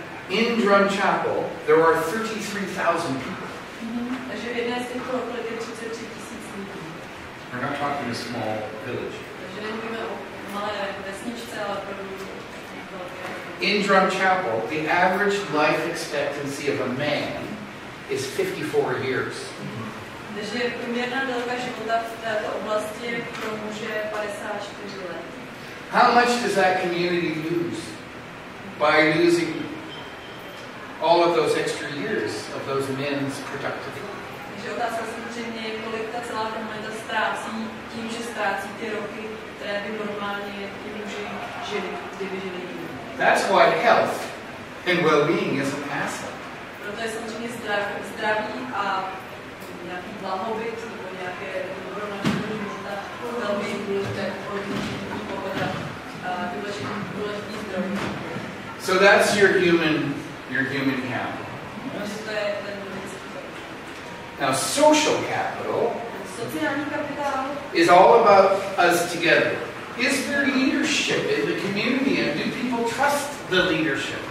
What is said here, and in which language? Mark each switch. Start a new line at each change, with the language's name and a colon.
English: In Drumchapel, there are 33,000 people.
Czech: Takže v jedné z těchto okolí je 33 tisíc lidí.
English: We're not talking a small village.
Czech: Takže nemluvíme o malé vesničce, ale pro velké.
English: In Drumchapel, the average life expectancy of a man is 54 years.
Czech: Takže průměrná délka života v této oblasti je pro muže 54 let.
English: How much does that community lose by losing all of those extra years of those men's productivity?
Czech: Takže otázka samozřejmě je, kolik ta celá komunita ztrácí tím, že ztrácí ty roky, které by normálně ti muži žili, kdyby žili jiný.
English: That's why health and well-being is an asset.
Czech: Proto je samozřejmě zdraví a nějaký blahobyt nebo nějaké dobro načení života velmi důležité odlišení pohoda a důležitý důležitý zdraví.
English: So that's your human capital.
Czech: Takže to je ten lidský kapitál.
English: Now social capital,
Czech: sociální kapitál,
English: is all about us together. Is there leadership in the community and do people trust the leadership?